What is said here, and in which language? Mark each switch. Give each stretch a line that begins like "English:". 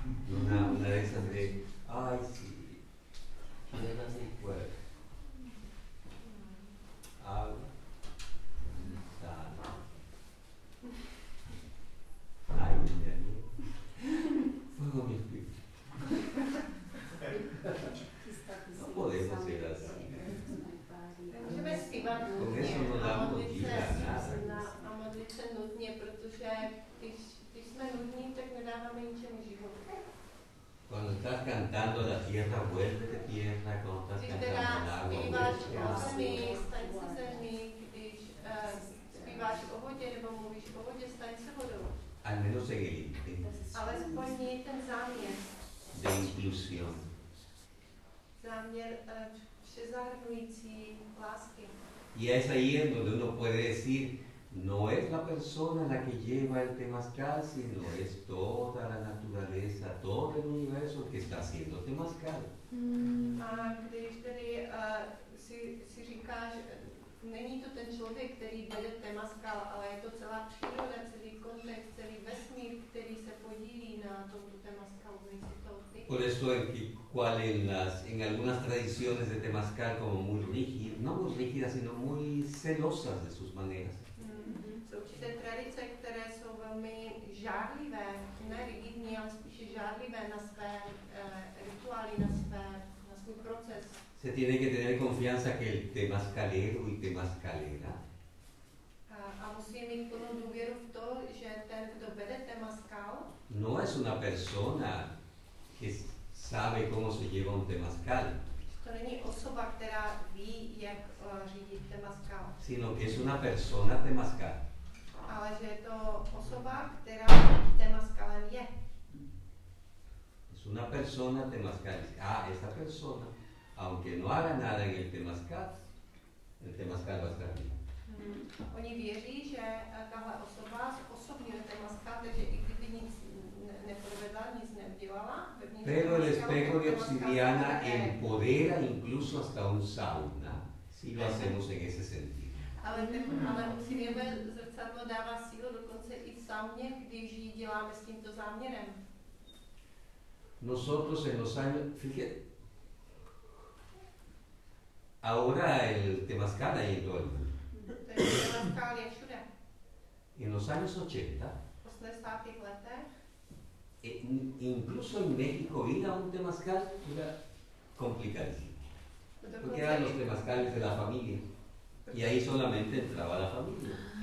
Spanish: Una de esas de, ay, sí, llena mi cuerpo, habla, sana, ay, mi amigo, fuego mi espíritu. No podemos ser así. Con eso no damos vida a nada.
Czech: Se nudně, protože když jsme nudní, tak nedáváme ničemu život.
Spanish: Cuando estás cantando la tierra vuelve de tierra, cuando estás cantando el agua vuelve de agua.
Czech: Když teda zpíváš o zemi, staň se zemi, když zpíváš o vodě nebo mluvíš o vodě, staň se vodou.
Spanish: Al menos en el intento.
Czech: Ale spojní ten záměr.
Spanish: De inclusión.
Czech: Záměr všezahrnující lásky.
Spanish: Y es ahí en donde uno puede decir, no es la persona la que lleva el temazcal, sino es toda la naturaleza, todo el universo que está haciendo temazcal.
Czech: A když tedy si říkáš, není to ten člověk, který vede temazcal, ale je to celá příroda, celý kontext, celý vesmír, který se podílí na tomto temazcal,
Spanish: por eso en que, cual en algunas tradiciones de temazcal como muy rígidas, no muy rígidas, sino muy celosas de sus maneras.
Czech: Jsou určité tradice, které jsou velmi žárlivé, ne rigidní, ale spíše žárlivé na své rituály, na svůj proces.
Spanish: Se tiene que tener confianza que el temazcalero y temazcalera.
Czech: A musí mít plnou důvěru v to, že ten, kdo vede temazcal,
Spanish: no es una persona que sabe cómo se lleva un temazcal.
Czech: To není osoba, která ví, jak řídit temazcal.
Spanish: Sino que es una persona temazcal.
Czech: Ale že je to osoba, která temazcalem je.
Spanish: Es una persona temazcal. Ah, esta persona, aunque no haga nada en el temazcal va a estar bien.
Czech: Oni věří, že tahle osoba osobně temazcal, takže i kdyby nic neprovedla, nic neudělala.
Spanish: Pero el espejo de obsidiana empodera incluso hasta un sauna, si lo hacemos en ese sentido.
Czech: Ale obsidiana zrcadlo dává sílu dokonce i v sauně, když ji děláme s tímto záměrem.
Spanish: Nosotros en los años, fíjate, ahora el temazcal ahí en todo el mundo.
Czech: Temazcal je všude.
Spanish: En los años 80,
Czech: v 80. letech,
Spanish: incluso en México ir a un temazcal era complicadísimo, porque eran los temazcales de la familia y ahí solamente entraba la familia.